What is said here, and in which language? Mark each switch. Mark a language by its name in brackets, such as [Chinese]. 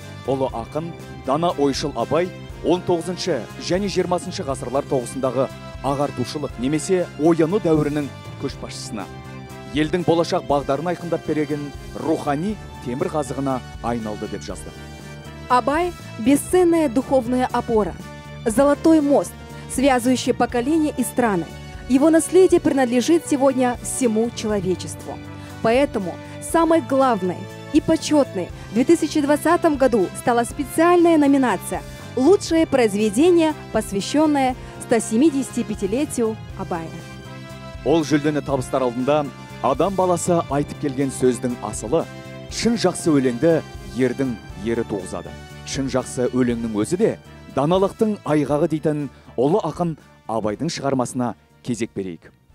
[Kazakh] Ұлы ақын дана ойшыл Абай 19-шы және 20-шы ғасырлар тоғысындағы ағартушылық немесе ояну дәуірінің көшбасшысына, елдің болашақ бағдарын айқындап берген рухани темір қазығына айналды деп жазды. [Russian] Абай – бесценная духовная опора, золотой мост, связывающий поколения и страны. Его наследие принадлежит сегодня всему человечеству. Поэтому самой главной и почетной в 2020 году стала специальная номинация «Лучшее произведение, посвященное 175-летию Абая». [Kazakh] Ол жүлдені табыстар алдында адам баласы айтып келген сөздің асылы, шын жақсы өленді ердің ері тоғызады. Шын жақсы өлеңнің өзі де даналықтың айғағы дейтін ұлы ақын Абайдың шығармасына кезек берейік.